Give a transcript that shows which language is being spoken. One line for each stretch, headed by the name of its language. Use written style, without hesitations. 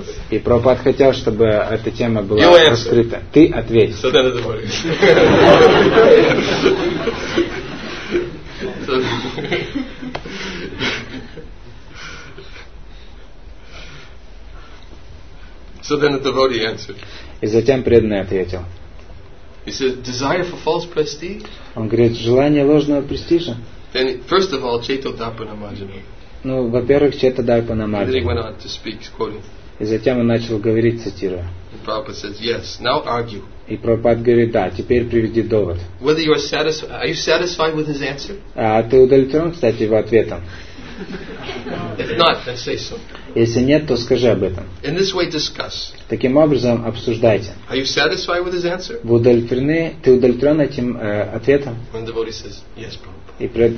Russian: И Прабхупад хотел, чтобы эта тема была раскрыта. Ты ответь.
English: So then the So then the devotee answered.
Russian: И затем преданный ответил.
English: He said, desire for false prestige?
Russian: Он говорит, желание ложного престижа.
English: Then first of all, Chaitodapanamajana.
Russian: Ну, во-первых, Chaitodapanamajana.
English: Then he went on to speak, quoting.
Russian: И затем он начал говорить, цитируя.
English: Prabhupada says, yes, now argue.
Russian: И Прабхупад говорит, да, теперь приведи довод.
English: Whether you are satisfied, are you satisfied with his answer?
Russian: А ты удовлетворен, кстати, его ответом?
English: If not, then say so.
Russian: Если нет, то скажи об этом.
English: In this way, discuss.
Russian: Таким образом, обсуждайте.
English: Are you satisfied with his answer?
Russian: Вы удовлетворены? Ты удовлетворен этим ответом?
English: When the devotee says, yes, Prabhupada.